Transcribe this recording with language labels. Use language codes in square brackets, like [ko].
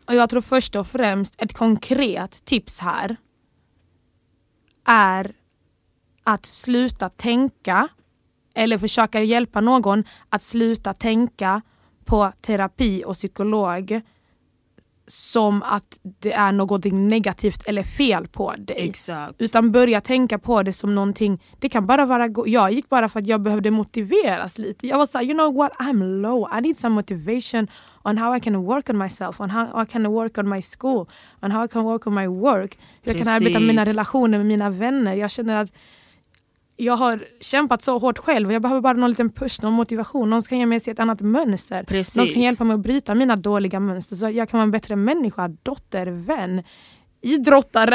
[sv] Och jag tror först och främst, ett konkret tips här är att sluta tänka, eller försöka hjälpa någon att sluta tänka på terapi och psykolog som att det är något negativt eller fel på dig. Exakt. Utan börja tänka på det som någonting. Det kan bara vara, jag gick bara för att jag behövde motiveras lite. Jag var såhär, [en] you know what, I'm low. I need some motivation on how I can work on myself, on how I can work on my school, on how I can work on my work. [sv] Hur jag kan arbeta med mina relationer med mina vänner. Jag känner att jag har kämpat så hårt själv och jag behöver bara någon liten push, någon motivation. Någon ska ge mig ett annat mönster. Precis. Någon ska hjälpa mig att bryta mina dåliga mönster så jag kan vara en bättre människa, dotter, vän, idrottare.